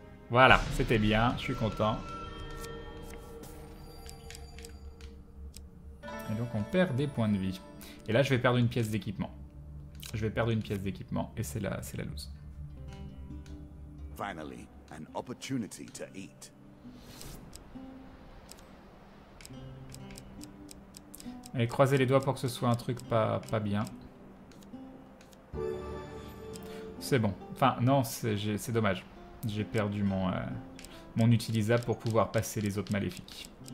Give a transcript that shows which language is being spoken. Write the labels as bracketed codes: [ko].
[fr] Voilà, c'était bien, je suis content. Et donc on perd des points de vie. Et là je vais perdre une pièce d'équipement. Je vais perdre une pièce d'équipement et c'est la lose. [en] Finally, an opportunity to eat. [fr] Allez, croisez les doigts pour que ce soit un truc pas bien. C'est bon. Enfin, non, c'est dommage. J'ai perdu mon utilisable pour pouvoir passer les autres maléfiques.